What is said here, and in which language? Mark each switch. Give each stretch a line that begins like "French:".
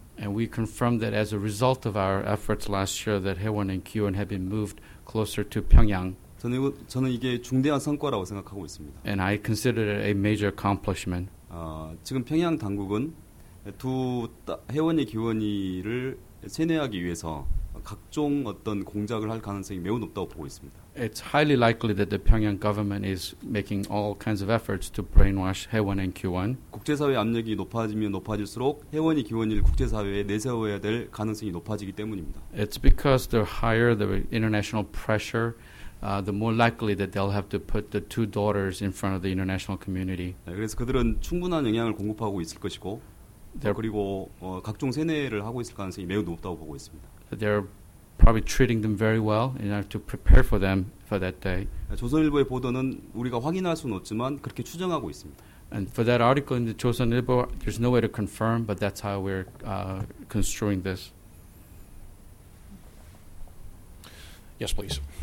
English: And we confirmed that as a result of our efforts last year that Haewon and Kiwon have been moved closer to Pyongyang.
Korean: 저는 이게 중대한 성과라고 생각하고 있습니다.
English: And I consider it a major accomplishment.
Korean: 지금 평양 당국은 두 Haewon이 Kiwon이를 세뇌하기 위해서 각종 어떤 공작을 할 가능성이 매우 높다고 보고 있습니다.
English: It's highly likely that the Pyongyang government is making all kinds of efforts to brainwash Haewon and Kiwon.
Korean: 국제사회 압력이 높아지면 높아질수록 혜원이 기원이를 국제사회에 내세워야 될 가능성이 높아지기 때문입니다.
English: It's because the higher the international pressure, the more likely that they'll have to put the two daughters in front of the international community.
Korean: 네, 그래서 그들은 충분한 영향을 공급하고 있을 것이고 그리고 각종 세뇌를 하고 있을 가능성이 매우 높다고 보고 있습니다.
English: They're probably treating them very well in order to prepare for them for that day.
Korean: 조선일보의 보도는 우리가 확인할 수는 없지만 그렇게 추정하고 있습니다.
English: And for that article in the 조선일보, there's no way to confirm, but that's how we're construing this. Yes, please.